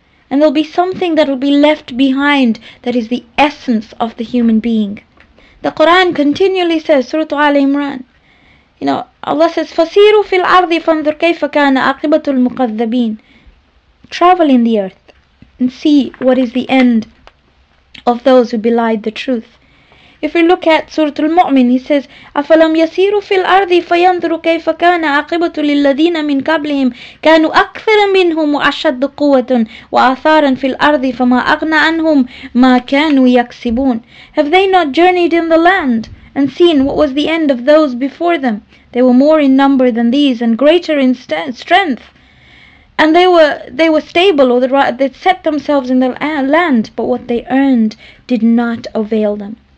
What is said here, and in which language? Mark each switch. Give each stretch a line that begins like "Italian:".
English: And there'll be something that will be left behind that is the essence of the human being. The Quran continually says, Surah Ali Imran, you know, Allah says,
Arabic: Fasiru fil ardi fanzur kayfa kana aqibatul mukadhabin.
English: Travel in the earth and see what is the end of those who belied the truth. If we look at Surah Al-Mu'min, he says,
Arabic: أَفَلَمْ يَسِيرُوا فِي الْأَرْضِ فَيَنْظُرُوا كَيْفَ كَانَ عَقِبَةُ لِلَّذِينَ مِنْ قَبْلِهِمْ كَانُوا أَكْثَرَ مِنْهُمْ وَأَشَدُّ قُوَّةً وَآثَارًا فِي الْأَرْضِ فَمَا أَغْنَى عَنْهُمْ مَا كَانُوا يَكْسِبُونَ.
English: Have they not journeyed in the land and seen what was the end of those before them? They were more in number than these and greater in strength. And they were stable, or they set themselves in the land, but what they earned did not avail them.